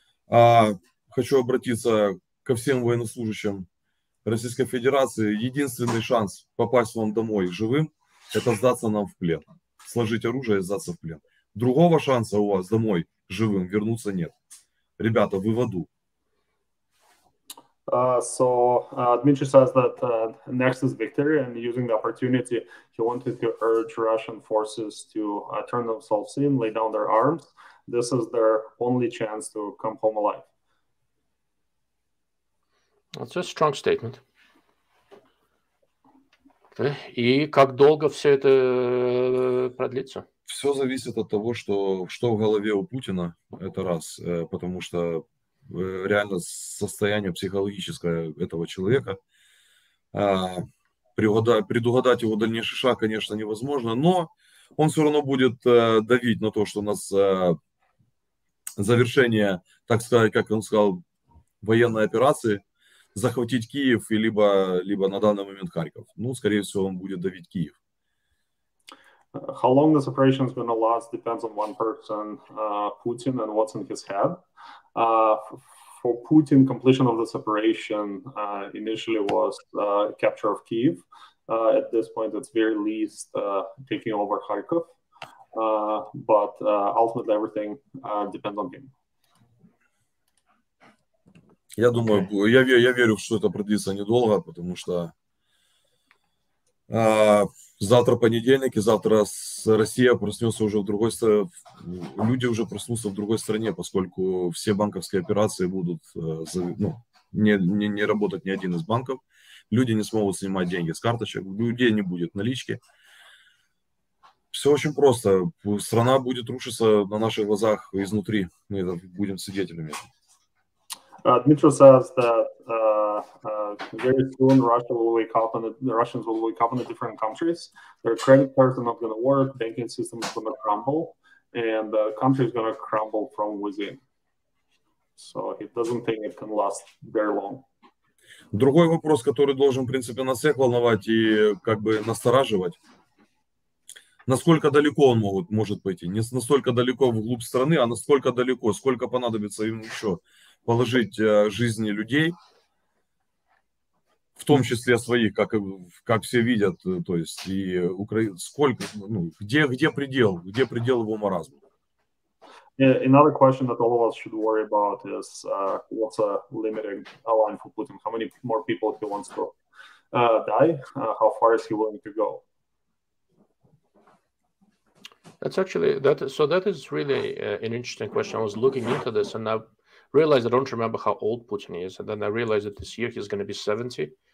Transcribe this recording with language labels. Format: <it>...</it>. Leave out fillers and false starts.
<ru>Хочу обратиться ко всем военнослужащим Российской Федерации. Единственный шанс попасть вам домой живым это сдаться нам в плен. Сложить оружие и сдаться в плен. Другого шанса у вас домой живым вернуться нет. Ребята, вы в аду.</ru> <en>Dmitry says that next is victory, and using the opportunity, he wanted to urge Russian forces to turn themselves in, lay down their arms. This is their only chance to come home alive. That's a strong statement. Okay.</en> <ru>И как долго все это продлится? Все зависит от того, что в голове у Путина, это раз, потому что реально состояние психологическое этого человека. Предугадать его дальнейший шаг, конечно, невозможно, но он все равно будет давить на то, что у нас завершение, так сказать, как он сказал, военной операции, захватить Киев и либо на данный момент Харьков. Ну, скорее всего, он будет давить Киев.</ru> <en>How long this operation is going to last depends on one person, Putin, and what's in his head. For Putin, completion of this operation initially was capture of Kyiv. At this point, it's very least taking over Kharkov. But ultimately, everything depends on him.</en> <ru>Я думаю, я верю, что это продлится недолго, потому что завтра понедельник, и завтра Россия проснется уже в другой стране, люди уже проснутся в другой стране, поскольку все банковские операции будут не работать ни один из банков, люди не смогут снимать деньги с карточек, у людей не будет налички. Все очень просто, страна будет рушиться на наших глазах изнутри, мы это будем свидетелями.</ru> <en>Dmitry says that very soon Russia will wake up, and the Russians will wake up in the different countries. Their credit cards are not going to work. Banking system is going to crumble, and the country is going to crumble from within. So it doesn't think it can last very long. Другой вопрос, который должен, в принципе, нас всех волновать и как бы настораживать: насколько далеко он может пойти? Не настолько далеко вглубь страны, а насколько далеко? Сколько понадобится им еще положить жизни людей, в том числе своих, как все видят, то есть и где предел его маразма? Yeah, another question that all of us should worry about is what's a limiting line for Putin? How many more people he wants to die? How far is he willing to go? That is really an interesting question. I was looking into this and now realize I don't remember how old Putin is, and then I realized that this year he's going to be 70.</en>